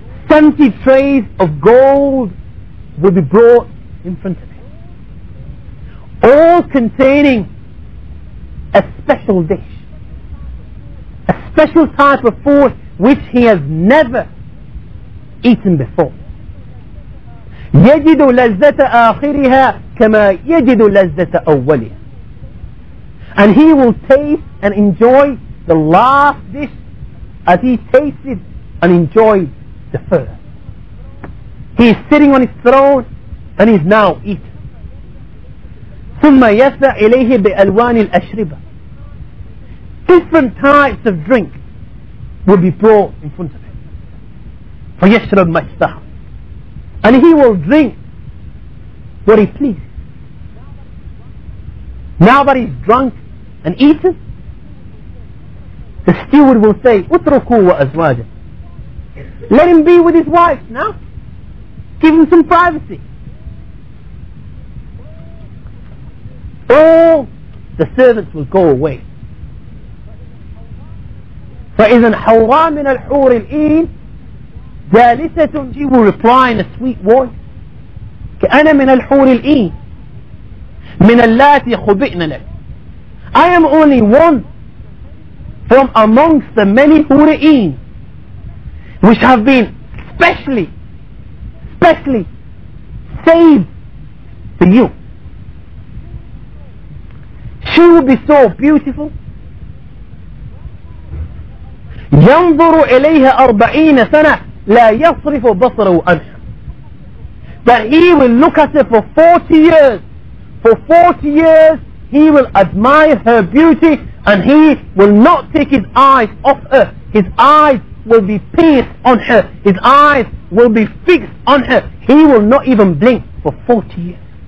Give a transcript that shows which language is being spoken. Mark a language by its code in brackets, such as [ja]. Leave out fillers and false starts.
[en] 70 trays of gold will be brought in front of him, all containing a special dish, a special type of food which he has never eaten before. [ar] يجد لذة آخرها كما يجد لذة أولها. [en] And he will taste and enjoy the last dish as he tasted and enjoyed the first. He is sitting on his throne and is now eating. [ar] ثم يسعى إليه بألوان الأشربة. [en] Different types of drink will be brought in front of him. [ar] فيشرب ما يستحق. [en] And he will drink what he pleases. Now that he's drunk and eaten, the steward will say, [ar] اتركوا وأزواجه. [en] Let him be with his wife now. Give him some privacy. All the servants will go away. [ar] فإذا حوراء من الحور العين جالسة, [en] she will reply in a sweet voice, [ar] كأنا من الحور العين من اللاتي خبئن لك. [en] I am only one from amongst the many حور العين which have been specially saved for you. she will be so beautiful. [ar] ينظر إليها 40 سنة لا يصرف بصره عنها. [en] That he will look at her for 40 years. For 40 years he will admire her beauty and he will not take his eyes off her. His eyes will be pierced on her. His eyes will be fixed on her. He will not even blink for 40 years.